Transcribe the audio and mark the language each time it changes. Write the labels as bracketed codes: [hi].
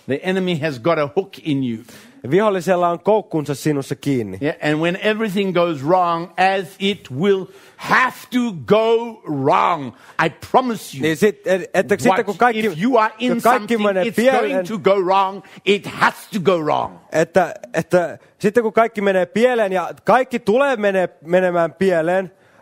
[en] The enemy has got a hook in you. [fi] Vihollisella on koukkunsa sinussa kiinni. [en] Yeah, and when everything goes wrong, as it will have to go wrong, I promise you. [fi] Niin sitten kun kaikki, [en] if you are in something, it's going to go wrong. It has to go wrong. [fi] Että sitten kun kaikki menee pieleen ja kaikki tulee menemään pieleen.